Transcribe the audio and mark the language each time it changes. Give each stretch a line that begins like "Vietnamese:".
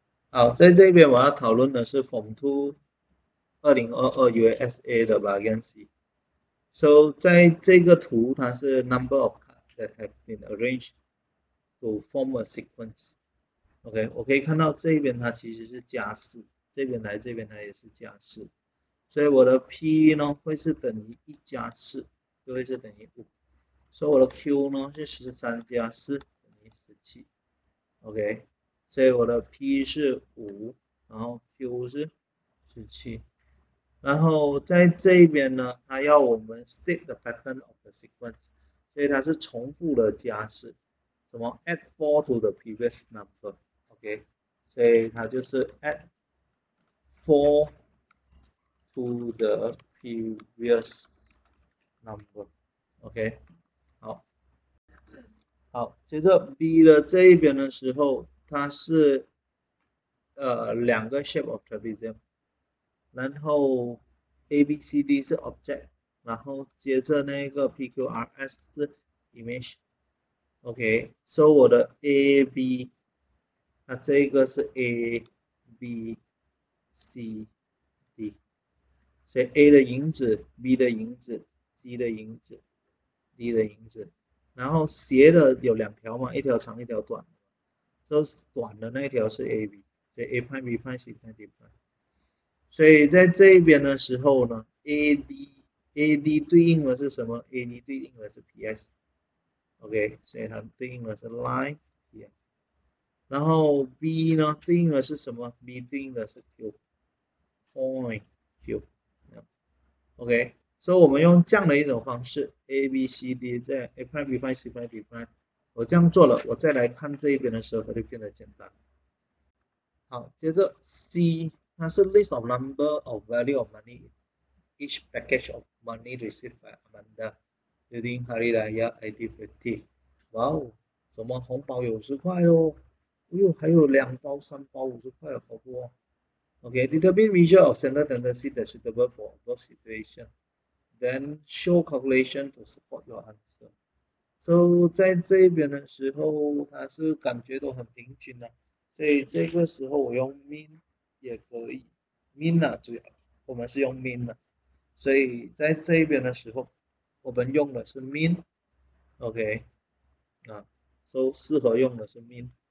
Chinese: 好，在这边我要讨论的是 Form 22022 USA 的 vacancy。
English: So
Chinese: 在这个图，它是
English: number of cards that have been arranged to form a sequence。
Chinese: OK，我可以看到这边它其实是加四，这边来这边它也是加四，所以我的 P 呢会是等于一加四，就会是等于五。所以我的 Q 呢是13加4等于17，OK。所以我的 P 是5，然后 Q 是17，然后在这边呢，它要我们
English: state the pattern of the sequence，
Chinese: 所以它是重复的加四，什么
English: add 4 to the previous number，
Chinese: OK，所以它就是 add 4 to the previous number，OK。好，接着 B 的这一边的时候，它是两个
English: shape of trapezium，
Chinese: 然后 A B C D 是 object，然后接着那个 P Q R S 是 image，OK，所以我的 A B，它这个是 A B C D，所以 A 的影子、B 的影子、C 的影子、D 的影子。然后斜的有两条嘛，一条长一条短，都是短的那一条是 AB，所以 A prime B prime C prime D prime。所以在这边的时候呢，AD 对应的是什么？AD 对应的是 PS，OK，所以它对应的是 line PS。然后 B 呢对应的是什么？B 对应的是 Q，point Q。 OK。所以，我们用这样的一种方式，A B C D，在 A prime B prime C prime D prime，我这样做了，我再来看这一边的时候，它就变得简单。好，接着 C，它是
English: list of number of value of money each package of money received by Amanda during Hari Raya Idul Fitri。
Chinese: 哇哦，什么红包有十块哦，哎呦，还有两包、三包50块，好多哦。
English: OK，determine measure of sender tendency that suitable for both situation。 Then show calculation to support your answer.
Chinese: So 在这边的时候，它是感觉都很平均的，所以这个时候我用 mean 也可以，mean 啊，主要我们是用 mean 的，所以在这边的时候，我们用的是 mean，OK，适合用的是 mean。